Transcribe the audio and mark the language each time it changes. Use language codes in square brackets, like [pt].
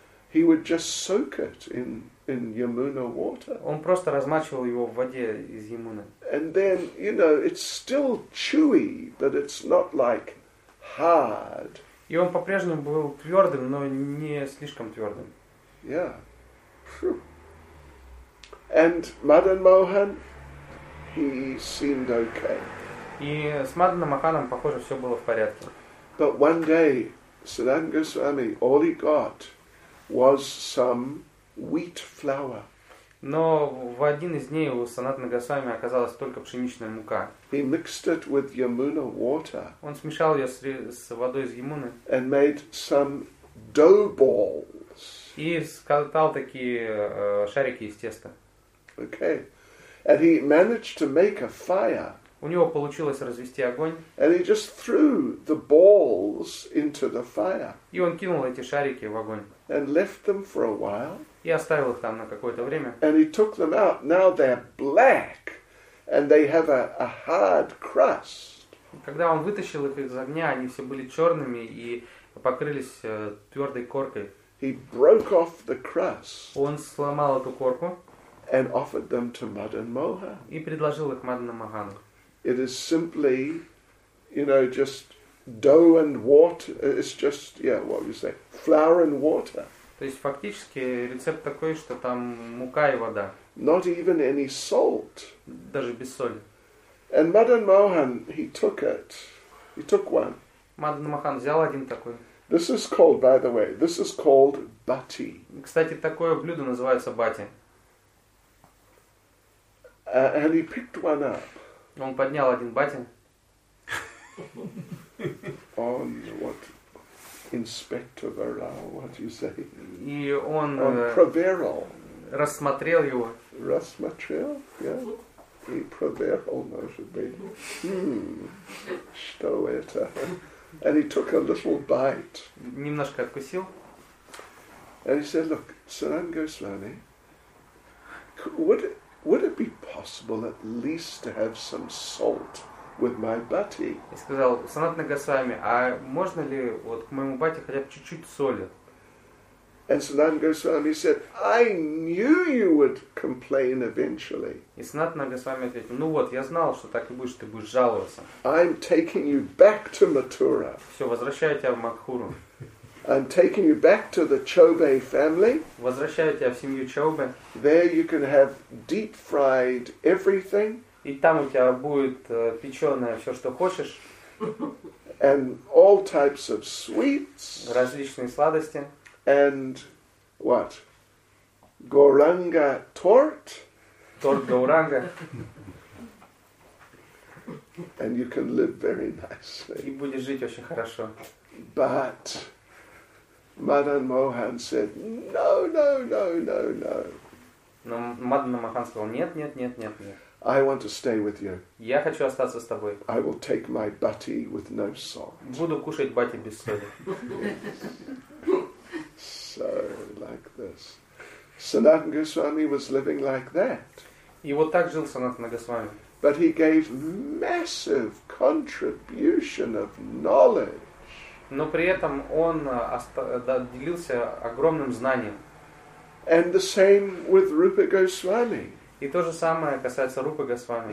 [en] He would just soak it in Yamuna water. [ru] Он просто размачивал его в воде из Ямуны. [en] And then, you know, it's still chewy, but it's not like hard. [ru] И он по-прежнему был твердым, но не слишком твердым. [en] Yeah. Phew. And Мадан Мохан, he seemed okay. [ru] И с Мадана Маханом, похоже, все было в порядке. [en] But one day, Siddhanta Goswami, all he got was some wheat flour. [ru] Но в один из дней у Санатана Госвами оказалась только пшеничная мука. [en] He mixed it with Yamuna water. [ru] Он смешал ее с водой из Ямуны. [en] And made some dough balls. [ru] И скатал такие шарики из теста. [en] Okay. And he managed to make a fire. [ru] У него получилось развести огонь. [en] And he just threw the balls into the fire. [ru] И он кинул эти шарики в огонь. [en] And left them for a while. [ru] И оставил их там на какое-то время. [en] And he took them out. Now they're black, and they have a hard crust. [ru] Когда он вытащил их из огня, они все были черными и покрылись твердой коркой. [en] He broke off the crust. [ru] Он сломал эту корку. [en] And offered them to Madan Mohan. [ru] И предложил их Мадана Махану. [en] It is simply, you know, just dough and water. It's just, yeah, what would you say? Flour and water. [ru] То есть фактически рецепт такой, что там мука и вода. [en] Not even any salt. [ru] Даже без соли. [en] And Madan Mohan, he took it. He took one. [ru] Madan Mohan взял один такой. [en] This is called, by the way, this is called bati. [ru] Кстати, такое блюдо называется бати. [en] And he picked one up. [ru] Он поднял один батин. [en] On what inspector Vera, what do you say? [ru] И он проверил. Рассмотрел его. Рассмотрел, yeah. И проверил, может быть. Что это? [en] And he took a little bite. [ru] Немножко откусил. [en] And he said, look, Siddhanta Goswami, would it be possible at least to have some salt with my bati? [ru] И сказал Санатана Госвами, а можно ли вот к моему бате хотя бы чуть-чуть соли? [en] And Санатана Госвами said, I knew you would complain eventually. [ru] И Санатана Госвами ответил, ну вот, я знал, что так и будешь, ты будешь жаловаться. [en] I'm taking you back to Mathura. [ru] Все, возвращаю тебя в Макхуру. [en] I'm taking you back to the Chobe family. [ru] Возвращаю тебя в семью Чобе. [en] There you can have deep fried everything. [ru] И там у тебя будет печеное все, что хочешь. [en] And all types of sweets. [ru] Различные сладости. [en] And what? Gauranga tort. [ru] Торт Гауранга. [en] And you can live very nicely. [ru] И будешь жить очень хорошо. [en] But Madan Mohan said, "No, no, no, no, no." [ru] Но Мадан Махан сказал, нет, нет, нет, нет, нет. [en] I want to stay with you. [ru] Я хочу остаться с тобой. [en] I will take my bati with no salt. [ru] Буду кушать бати без соли. [en] So like this, Sanatana Goswami was living like that. [ru] И вот так жил Санатана Госвами. [en] But he gave massive contribution of knowledge. [ru] Но при этом он делился огромным знанием. [en] And the same with Rupa Goswami. [ru] И то же самое касается Рупы Госвами.